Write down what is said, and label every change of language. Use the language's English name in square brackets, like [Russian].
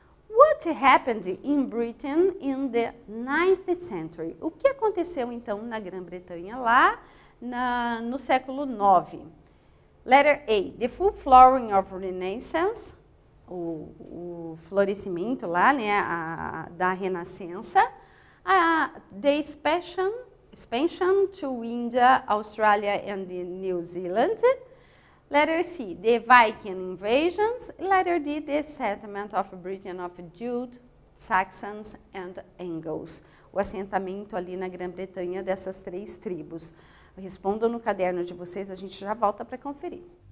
[English] What happened in Britain in the 9th century? [Portuguese] O que aconteceu, então, na Grã-Bretanha lá no século 9? [English] Letter A, the full flowering of Renaissance, [Portuguese] o florescimento lá, né, da Renascença. [English] The expansion to India, Australia and the New Zealand. Letter C, the Viking invasions. Letter D, the settlement of Britain of Jutes, Saxons and Angles. [Portuguese] O assentamento ali na Grã-Bretanha dessas três tribos. Respondam no caderno de vocês, a gente já volta para conferir.